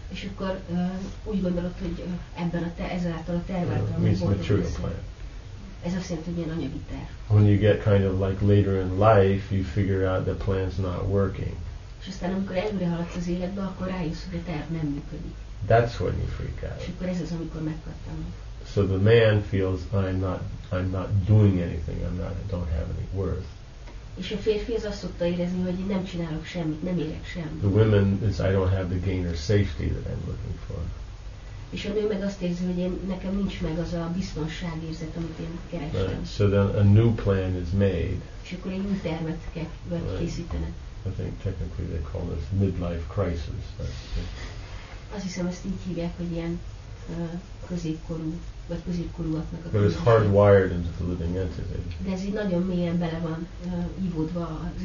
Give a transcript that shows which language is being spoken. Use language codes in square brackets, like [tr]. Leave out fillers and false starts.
[hu] És akkor úgy gondolod, hogy ebben a ezáltal a tervben a boldog [en] plan. [hu] Ez azt jelenti, hogy ilyen anyagi terv. [en] When you get kind of like later in life, you figure out the plan's not working. [hu] És aztán amikor előre haladsz az életbe, akkor rájössz, hogy a terv nem működik. [en] That's when you freak out. [hu] És akkor ez az, amikor megkattam. [en] So the man feels I'm not doing anything. I don't have any worth. [hu] És a férfi az azt szokta érezni, hogy én nem csinálok semmit, nem érek semmit. [en] The woman is I don't have the gain or safety that I'm looking for. [hu] És a nő meg azt érzi, hogy én nekem nincs meg az a biztonságérzet, amit én kerestem. [en] Right. So then a new plan is made. [hu] És akkor egy új tervet kell készítenek. [en] I think technically they call this midlife crisis. [hu] Azt hiszem, ezt így hívják, hogy ilyen középkorú. [en] But it's hardwired into the living entity. [hu] De ez így nagyon mélyen bele van ívódva az